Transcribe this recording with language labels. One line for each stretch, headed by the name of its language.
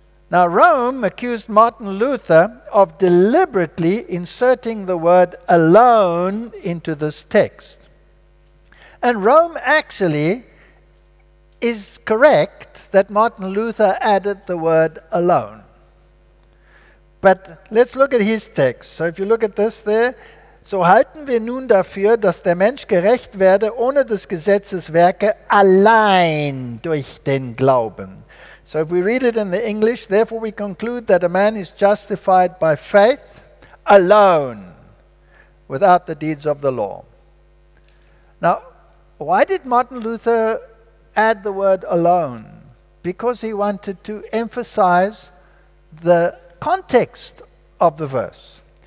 English: Now, Rome accused Martin Luther of deliberately inserting the word alone into this text. And Rome actually is correct that Martin Luther added the word alone. But let's look at his text. So if you look at this there, so
German: halten wir nun dafür, dass der Mensch gerecht werde ohne des Gesetzes Werke allein durch den Glauben.
English: So if we read it in the English, therefore we conclude that a man is justified by faith alone without the deeds of the law. Now, why did Martin Luther add the word alone? Because he wanted to emphasize the context of the verse.